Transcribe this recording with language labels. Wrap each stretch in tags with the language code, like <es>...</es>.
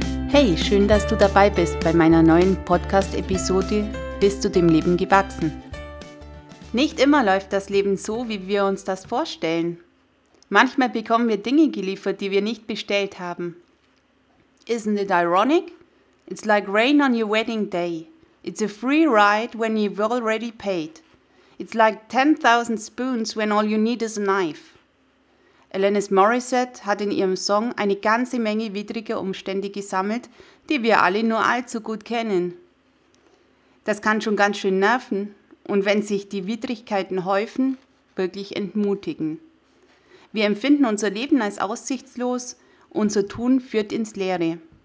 <de>Hey, schön, dass du dabei bist bei meiner neuen Podcast-Episode Bist du dem Leben gewachsen? Nicht immer läuft das Leben so, wie wir uns das vorstellen. Manchmal bekommen wir Dinge geliefert, die wir nicht bestellt haben.</de> <en>Isn't it ironic? It's like rain on your wedding day. It's a free ride when you've already paid. It's like 10,000 spoons when all you need is a knife.</en> <de>Alanis Morissette hat in ihrem Song eine ganze Menge widriger Umstände gesammelt, die wir alle nur allzu gut kennen. Das kann schon ganz schön nerven und wenn sich die Widrigkeiten häufen, wirklich entmutigen. Wir empfinden unser Leben als aussichtslos, unser Tun führt ins Leere.</de>